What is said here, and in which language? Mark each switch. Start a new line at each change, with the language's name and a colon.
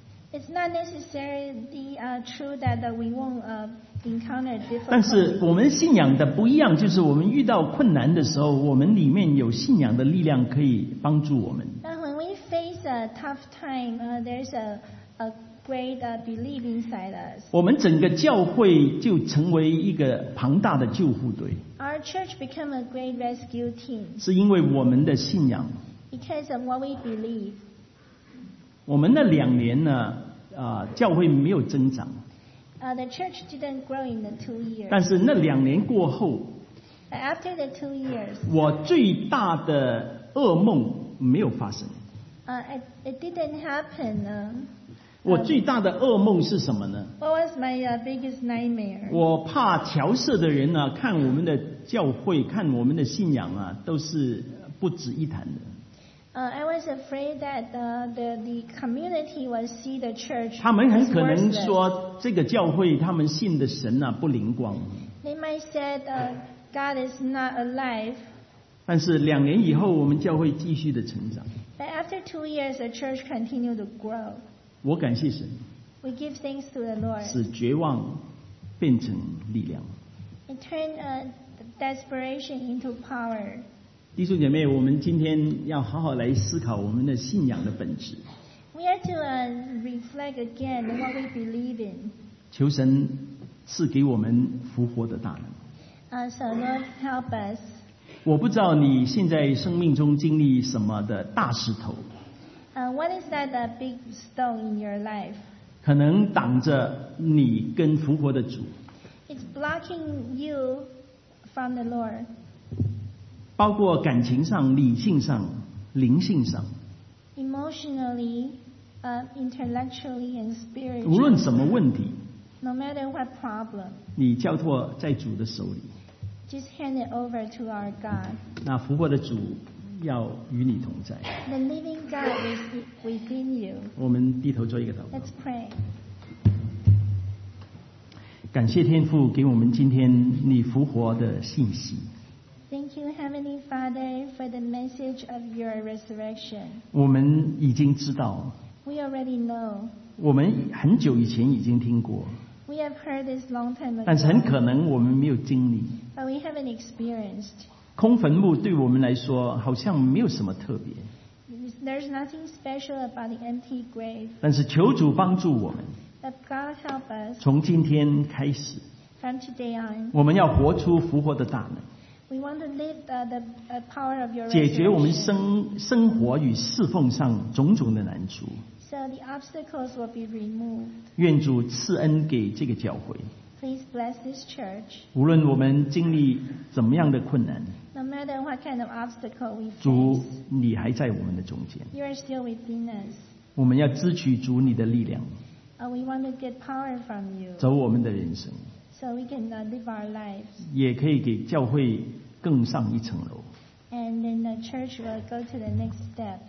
English: It's not necessarily true that we won't encounter difficulty.
Chinese: 但是我们信仰的不一样，就是我们遇到困难的时候，我们里面有信仰的力量可以帮助我们。
English: When we face a tough time, there's a great belief inside us.
Chinese: 我们整个教会就成为一个庞大的救护队。
English: Our church became a great rescue team.
Chinese: 是因为我们的信仰。
English: Because of what we believe.
Chinese: 我们那两年呢，教会没有增长。
English: The church didn't grow in the 2 years.
Chinese: 但是那两年过后。
English: After the 2 years.
Chinese: 我最大的噩梦没有发生。
English: It didn't happen.
Chinese: 我最大的噩梦是什么呢？
English: What was my biggest nightmare?
Chinese: 我怕侨社的人呢，看我们的教会，看我们的信仰啊，都是不值一谈的。
English: I was afraid that the community would see the church.
Chinese: 他们很可能说这个教会他们信的神啊不灵光。
English: They might say God is not alive.
Chinese: 但是两年以后，我们教会继续的成长。
English: But after 2 years, the church continued to grow.
Chinese: 我感谢神。
English: We give thanks to the Lord.
Chinese: 使绝望变成力量。
English: And turn desperation into power.
Chinese: 弟兄姐妹，我们今天要好好来思考我们的信仰的本质。
English: We have to reflect again what we believe in.
Chinese: 求神赐给我们复活的大能。
English: So Lord, help us.
Chinese: 我不知道你现在生命中经历什么的大石头。
English: What is that big stone in your life?
Chinese: 可能挡着你跟复活的主。
English: It's blocking you from the Lord.
Chinese: 包括感情上、理性上、灵性上。
English: Emotionally, intellectually and spiritually.
Chinese: 无论什么问题,
English: no matter what problem,
Chinese: 你交托在主的手里,
English: just hand it over to our God.
Chinese: 那复活的主,
English: the living God is within you.
Chinese: 我们低头做一个祷告。
English: Let's pray.
Chinese: 感谢天父给我们今天你复活的信息。
English: Thank you, Heavenly Father, for the message of your resurrection.
Chinese: 我们已经知道。
English: We already know.
Chinese: 我们很久以前已经听过。
English: We have heard this long time ago.
Chinese: 但是很可能我们没有经历。
English: But we haven't experienced.
Chinese: 空坟墓对我们来说好像没有什么特别。
English: There's nothing special about the empty grave.
Chinese: 但是求主帮助我们。
English: But God help us.
Chinese: 从今天开始。
English: From today on.
Chinese: 我们要活出复活的大能。
English: We want to live the power of your life.
Chinese: 解决我们生活与侍奉上种种的难处。
English: So the obstacles will be removed.
Chinese: 愿主赐恩给这个教会。
English: Please bless this church.
Chinese: 无论我们经历怎么样的困难。
English: No matter what kind of obstacle we face.
Chinese: 主，你还在我们的中间。
English: You are still within us.
Chinese: 我们要支取主你的力量。
English: We want to get power from you.
Chinese: 走我们的人生。
English: So we can live our lives.
Chinese: 也可以给教会更上一层楼。
English: And then the church will go to the next step.